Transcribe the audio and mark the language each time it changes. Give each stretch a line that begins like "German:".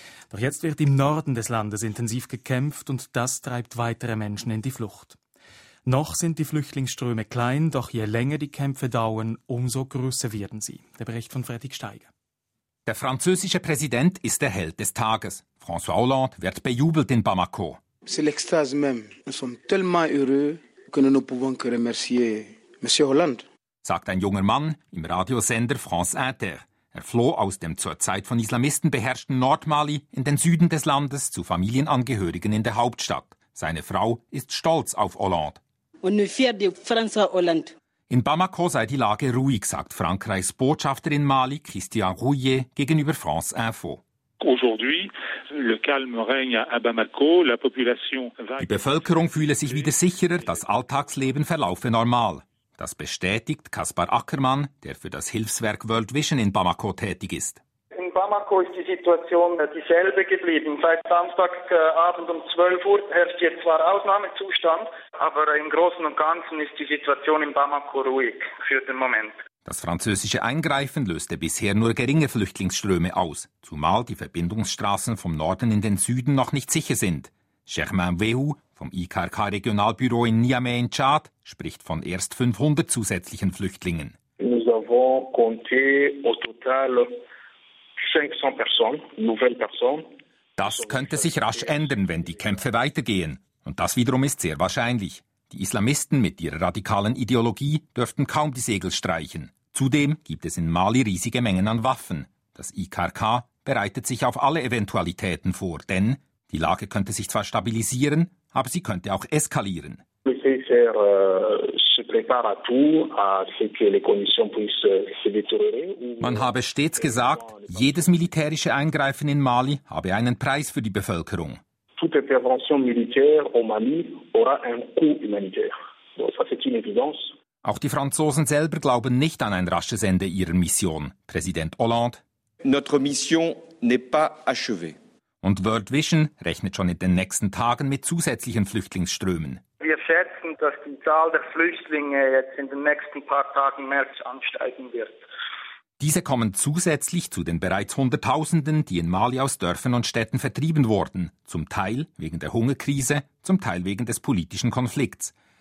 German: Doch jetzt wird im Norden des Landes intensiv gekämpft und das treibt weitere Menschen in die Flucht. Noch sind die Flüchtlingsströme klein, doch je länger die Kämpfe dauern, umso größer werden sie. Der Bericht von Fredrik Steiger. Der französische Präsident ist der Held des Tages. François Hollande wird bejubelt in Bamako.
French: C'est l'extase même. Nous sommes tellement heureux que nous ne pouvons que remercier Monsieur Hollande.
German: Sagt ein junger Mann im Radiosender France Inter. Er floh aus dem zur Zeit von Islamisten beherrschten Nordmali in den Süden des Landes zu Familienangehörigen in der Hauptstadt. Seine Frau ist stolz auf Hollande.
French: On est fier de François Hollande.
German: In Bamako sei die Lage ruhig, sagt Frankreichs Botschafter in Mali, Christian Rouillet, gegenüber France Info.
French: Aujourd'hui, le calme règne à Bamako. La population va...
German: Die Bevölkerung fühle sich wieder sicherer, das Alltagsleben verlaufe normal. Das bestätigt Kaspar Ackermann, der für das Hilfswerk World Vision in Bamako tätig ist. In Bamako ist die Situation dieselbe geblieben. Seit Samstagabend um 12 Uhr herrscht jetzt zwar Ausnahmezustand, aber im Großen und Ganzen ist die Situation in Bamako ruhig für den Moment. Das französische Eingreifen löste bisher nur geringe Flüchtlingsströme aus, zumal die Verbindungsstraßen vom Norden in den Süden noch nicht sicher sind. Germain Wehu vom IKRK-Regionalbüro in Niamey in Tschad spricht von erst 500 zusätzlichen Flüchtlingen.
French: Nous avons compté au total 500 personnes, nouvelles personnes.
German: Das könnte sich rasch ändern, wenn die Kämpfe weitergehen. Und das wiederum ist sehr wahrscheinlich. Die Islamisten mit ihrer radikalen Ideologie dürften kaum die Segel streichen. Zudem gibt es in Mali riesige Mengen an Waffen. Das IKRK bereitet sich auf alle Eventualitäten vor, denn die Lage könnte sich zwar stabilisieren, aber sie könnte auch eskalieren. Man habe stets gesagt, jedes militärische Eingreifen in Mali habe einen Preis für die Bevölkerung.
French: Toute intervention militaire au Mali aura un coût humanitaire. Ça, c'est une évidence.
German: Auch die Franzosen selber glauben nicht an ein rasches Ende ihrer Mission. Präsident Hollande:
French: Notre mission n'est pas achevée.
German: Und World Vision rechnet schon in den nächsten Tagen mit zusätzlichen Flüchtlingsströmen. Wir schätzen, dass die Zahl der Flüchtlinge jetzt in den nächsten paar Tagen März ansteigen wird. Diese kommen zusätzlich zu den bereits Hunderttausenden, die in Mali aus Dörfern und Städten vertrieben wurden, zum Teil wegen der Hungerkrise, zum Teil wegen des politischen Konflikts.